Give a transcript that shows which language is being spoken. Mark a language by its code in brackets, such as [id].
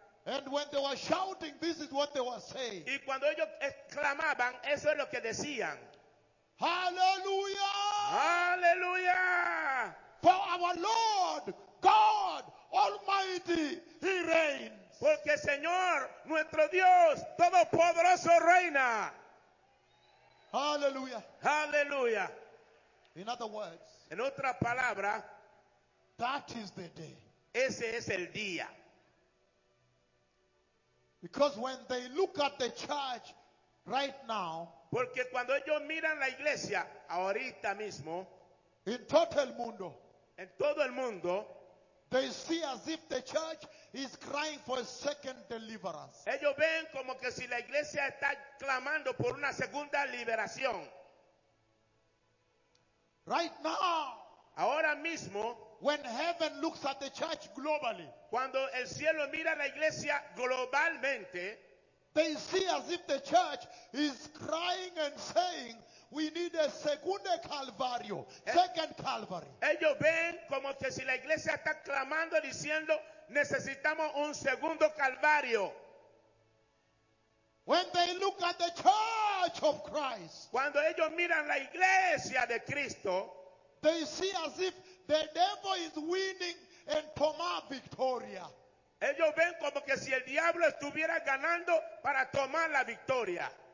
[en] And when they were shouting, this is what they were saying. [es] Y cuando ellos exclamaban, eso es lo que decían. [en] Hallelujah! [es] Hallelujah! [en] For our Lord God Almighty, He reigns. [es] Porque Señor, nuestro Dios, Todopoderoso reina. [en] Hallelujah! [es] Hallelujah! [en] In other words, [es] en otra palabra, [en] that is the day. [es] Ese es el día. [en] Because when they look at the church right now, [es] porque cuando ellos miran la iglesia ahorita mismo, in todo el mundo, en todo el mundo, [en] they see as if the church is crying for a second deliverance. [es] Ellos ven como que si la iglesia está clamando por una segunda liberación. [en] Right now, [es] ahora mismo, [en] when heaven looks at the church globally, [es] cuando el cielo mira la iglesia globalmente, [en] they see as if the church is crying and saying, we need a [es] segundo calvario, [en] second calvary. [es] Ellos ven como que si la iglesia está clamando diciendo, necesitamos un segundo calvario. [en] When they look at the church of Christ, [es] cuando ellos miran la iglesia de Cristo, [en] they see as if the devil is winning and [es] tomar victoria. Ellos ven como que si el diablo estuviera ganando para tomar la victoria.